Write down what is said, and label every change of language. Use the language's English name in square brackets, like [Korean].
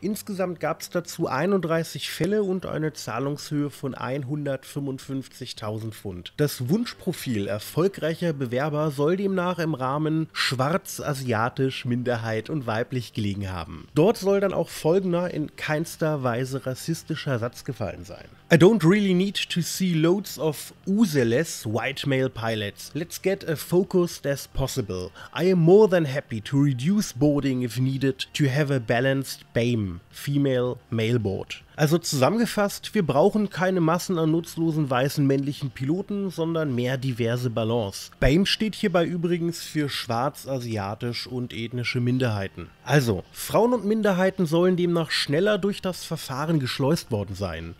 [German] Insgesamt gab es dazu 31 Fälle und eine Zahlungshöhe von 155.000 Pfund. Das Wunschprofil erfolgreicher Bewerber soll demnach im Rahmen schwarz, asiatisch, Minderheit und weiblich gelegen haben. Dort soll dann auch folgender in keinster Weise rassistischer Satz gefallen sein. [English] I don't really need to see loads of useless white male pilots. Let's get a focused as possible. I am more than happy to reduce boarding if needed to have a balanced BAME, female male board. [German] Also zusammengefasst, wir brauchen keine Massen an nutzlosen weißen männlichen Piloten, sondern mehr diverse Balance. BAME steht hierbei übrigens für schwarz, asiatisch und ethnische Minderheiten. Also, Frauen und Minderheiten sollen demnach schneller durch das Verfahren geschleust worden sein.